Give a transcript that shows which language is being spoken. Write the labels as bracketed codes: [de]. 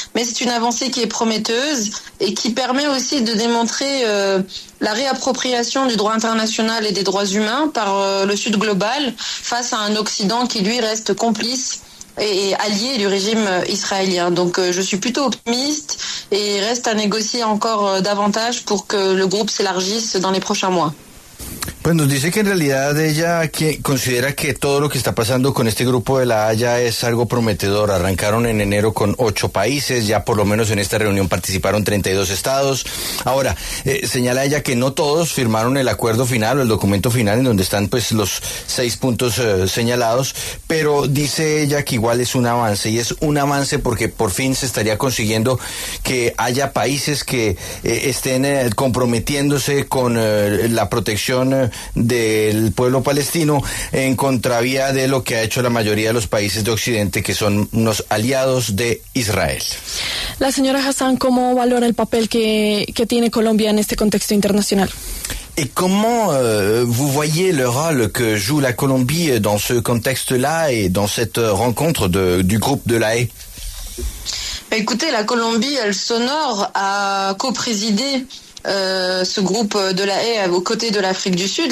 [fr] Mais c'est une avancée qui est prometteuse et qui permet aussi de démontrer la réappropriation du droit international et des droits humains par le Sud global face à un Occident qui, lui, reste complice et allié du régime israélien. Donc je suis plutôt optimiste et reste à négocier encore davantage pour que le groupe s'élargisse dans les prochains mois. [es] Bueno, dice que en realidad ella considera que todo lo que está pasando con este grupo de La Haya es algo prometedor. Arrancaron en enero con 8 países, ya por lo menos en esta reunión participaron 32 estados. Ahora, señala ella que no todos firmaron el acuerdo final o el documento final en donde están pues los 6 puntos señalados, pero dice ella que igual es un avance, y es un avance porque por fin se estaría consiguiendo que haya países que estén comprometiéndose con la protección del pueblo palestino en contravía de lo que ha hecho la mayoría de los países de Occidente, que son unos aliados de Israel. La señora Hassan, ¿cómo valora el papel que tiene Colombia en este contexto internacional? [fr] Et comment vous voyez le rôle que joue la Colombie dans ce contexte-là et dans cette rencontre du groupe de La Haye? Écoutez, la Colombie, elle s'honore à co-présider ce groupe de La Haye aux côtés de l'Afrique du Sud.